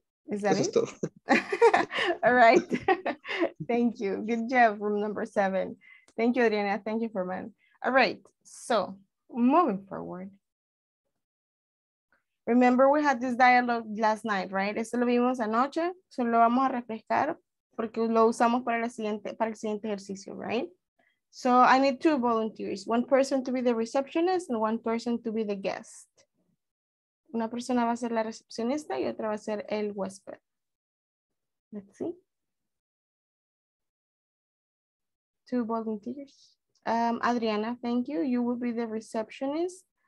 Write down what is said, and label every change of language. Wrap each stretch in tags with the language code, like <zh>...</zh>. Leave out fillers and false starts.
<en>Is that it? All right. Thank you. Good job, room number 7. Thank you, Adriana. Thank you, Ferman. All right. So moving forward. Remember, we had this dialogue last night, right?</en> <es>Eso lo vimos anoche. Solo vamos a refrescar porque lo usamos para el siguiente ejercicio, right?</es> <en>So I need 2 volunteers. 1 person to be the receptionist and 1 person to be the guest.</en> <es>Una persona va a ser la recepcionista y otra va a ser el huésped.</es> <en>Let's see. 2 volunteers. Adriana, thank you. You will be the receptionist.</en>